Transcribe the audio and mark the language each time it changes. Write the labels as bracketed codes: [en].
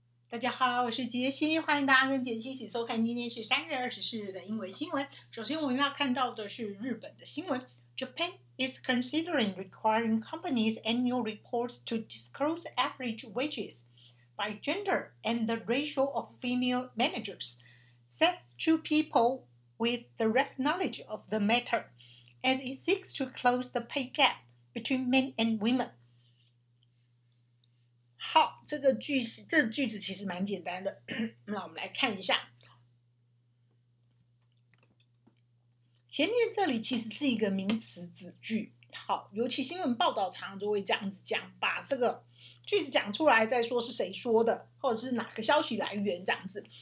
[zh] 大家好，我是杰西，欢迎大家跟杰西一起收看今天是3月24日的英文新闻。首先我们要看到的是日本的新闻。 [en] Japan is considering requiring companies' annual reports to disclose average wages by gender and the ratio of female managers set to people with direct knowledge of the matter as it seeks to close the pay gap between men and women. [zh] 好，这个句子其实蛮简单的。那我们来看一下，前面这里其实是一个名词子句。好，尤其新闻报道常常都会这样子讲，把这个句子讲出来再说是谁说的，或者是哪个消息来源这样子。